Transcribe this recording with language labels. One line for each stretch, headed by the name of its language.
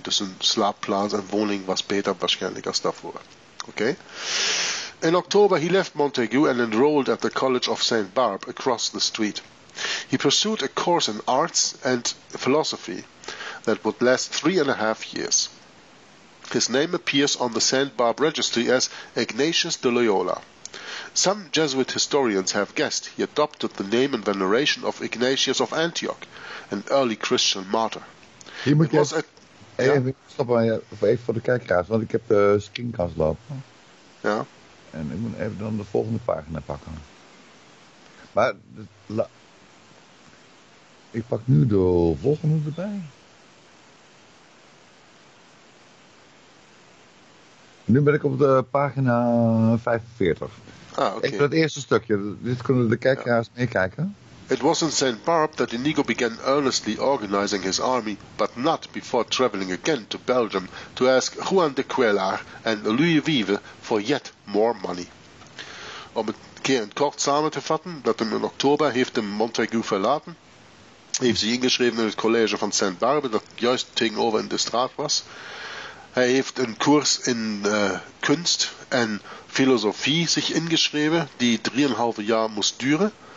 Dutch: Dus een slaapplaats en woning was beter waarschijnlijk als daarvoor. Okay.
English: In October he left Montaigu and enrolled at the College of St. Barb across the street. He pursued a course in arts and philosophy that would last 3.5 years. His name appears on the St. Barb Registry as Ignatius de Loyola. Some Jesuit historians have guessed he adopted the name in veneration of Ignatius of Antioch, an early Christian martyr.
Dutch: Hier moet je even stoppen, even voor de kijkraad, want ik heb de screencast lopen. Ja. En ik moet even dan de volgende pagina pakken. Maar, ik pak nu de volgende erbij. Nu ben ik op de pagina 45. Ah, okay. Ik dat eerste stukje, dit kunnen de kijkers meekijken.
English: It was in St. Barb that Inigo began earnestly organizing his army, but not before traveling again to Belgium to ask Juan de Cuellar and Louis Vives for yet more money.
Dutch: Om het keer kort samen te vatten, dat hem in oktober heeft hem Montaigu verlaten, heeft zich ingeschreven in het college van St. Barb, dat juist tegenover in de straat was. Hij heeft een koers in kunst en filosofie zich ingeschreven, die 3,5 jaar moest duren.